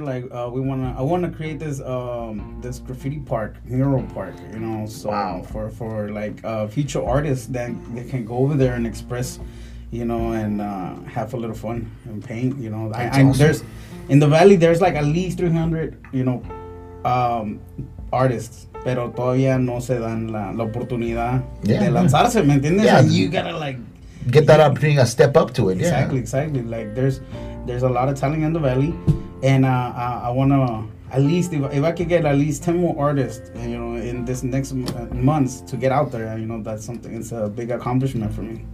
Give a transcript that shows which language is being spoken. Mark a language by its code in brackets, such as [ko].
[en] Like, I wanna create this graffiti park, mural park, you know. So wow. for like future artists that they can go over there and express, you know, and have a little fun and paint, you know. That's awesome. There's in the Valley, there's like at least 300, you know, artists. [es] Pero todavía no se dan la oportunidad de lanzarse, ¿me entiendes? [en] Yeah. And you gotta like... Get that opportunity, a step up to it. Exactly, yeah. Exactly. Like, there's a lot of talent in the Valley. And I wanna, at least, if I could get at least 10 more artists, you know, in this next months to get out there, you know, that's something, it's a big accomplishment for me.